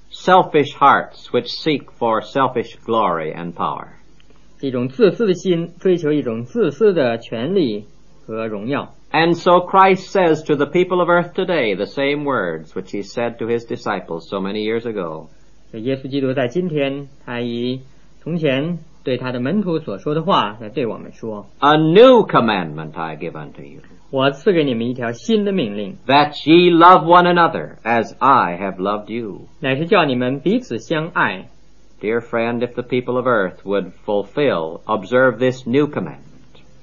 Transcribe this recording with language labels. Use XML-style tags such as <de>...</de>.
<en>Selfish hearts which seek for selfish glory and power.</en> <zh>这种自私的心追求一种自私的权利和荣耀.</zh> <en>And so Christ says to the people of earth today the same words which he said to his disciples so many years ago.</en> <zh>耶稣基督在今天他以 从前对他的门徒所说的话, 来对我们说,</zh> <en>A new commandment I give unto you,</en> <zh>我赐给你们一条新的命令,</zh> <en>that ye love one another as I have loved you,</en> <zh>乃是叫你们彼此相爱.</zh> <en>Dear friend, if the people of earth would fulfill, observe this new commandment,</en>